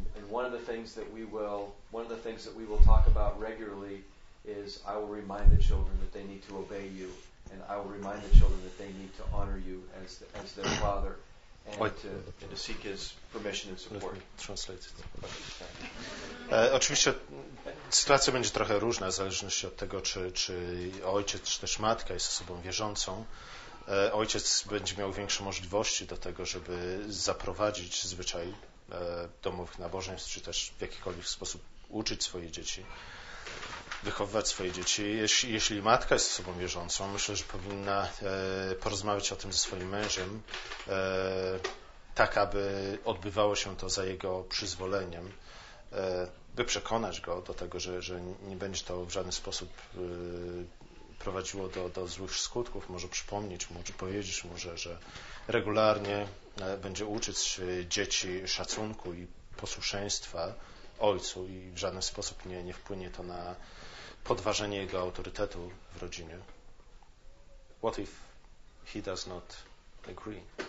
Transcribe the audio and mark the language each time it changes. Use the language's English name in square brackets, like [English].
[English] one of the things that we will talk about regularly is I will remind the children that they need to obey you, and I will remind the children that they need to honor you as their father, and to seek his permission and support. Translate. [Polish] Oczywiście sytuacja będzie trochę różna w zależności od tego, czy ojciec, czy też matka jest osobą wierzącą. Ojciec będzie miał większe możliwości do tego, żeby zaprowadzić zwyczaj domowych nabożeństw, czy też w jakikolwiek sposób uczyć swoje dzieci, wychowywać swoje dzieci. Jeśli matka jest osobą wierzącą, myślę, że powinna porozmawiać o tym ze swoim mężem, tak aby odbywało się to za jego przyzwoleniem, by przekonać go do tego, że nie będzie to w żaden sposób prowadziło do złych skutków. Może przypomnieć mu, czy powiedzieć mu, że regularnie będzie uczyć dzieci szacunku i posłuszeństwa ojcu i w żaden sposób nie wpłynie to na podważenie jego autorytetu w rodzinie. [English] What if he does not agree?